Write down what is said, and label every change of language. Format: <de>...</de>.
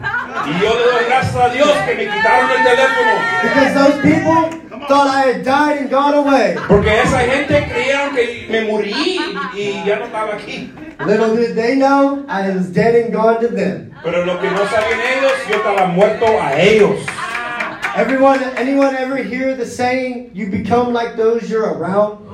<es>Y yo le doy gracias a Dios que me quitaron el teléfono.</es> <en>Because those people thought I had died and gone away.</en> <es>Porque esa gente creyeron que me morí y ya no estaba aquí.</es> <en>Little did they know, I was dead and gone to them.</en> <es>Pero lo que no sabían ellos, yo estaba muerto a ellos.</es> <en>Everyone, anyone ever hear the saying, you become like those you're around?</en>